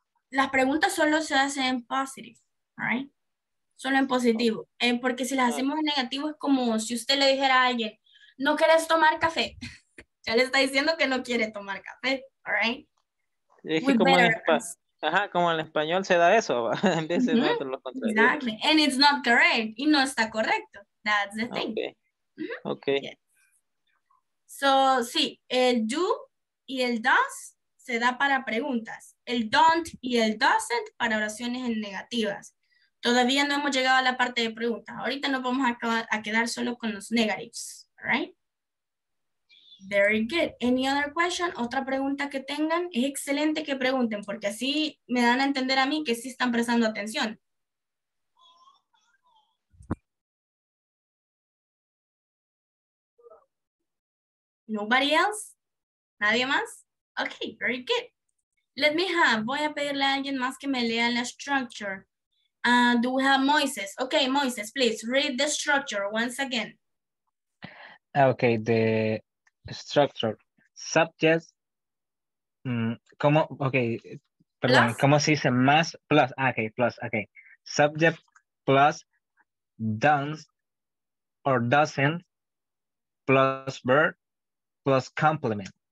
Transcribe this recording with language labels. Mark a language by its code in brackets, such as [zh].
[es] Las preguntas solo se hacen en [en] positive, right? [es] Solo en positivo. Porque si las hacemos en negativo es como si usted le dijera a alguien, no quieres tomar café. Ya le está diciendo que no quiere tomar café, right? Es que como en español. Ajá, como en español se da eso, en vez de nosotros lo contrario. [en] Exactly, and it's not correct, [es] y no está correcto, [en] that's the thing. Okay. Mm-hmm. Okay. [es] Yes. So, sí, el do y el does se da para preguntas, el don't y el doesn't para oraciones en negativas. Todavía no hemos llegado a la parte de preguntas, ahorita nos vamos a quedar solo con los negatives, [en] right? Very good. Any other question? [es] ¿Otra pregunta que tengan? Es excelente que pregunten porque así me dan a entender a mí que sí están prestando atención. [en] Nobody else? [es] ¿Nadie más? [en] Okay, very good. Let me have, [es] voy a pedirle a alguien más que me lea la structure. [en] Do we have Moises? Okay, Moises, please read the structure once again. Okay, the structure, subject, ¿cómo? [es] Ok, perdón, plus. ¿Cómo se dice más? Plus, ok, plus, ok. [en] Subject plus don't or doesn't plus verb plus complement.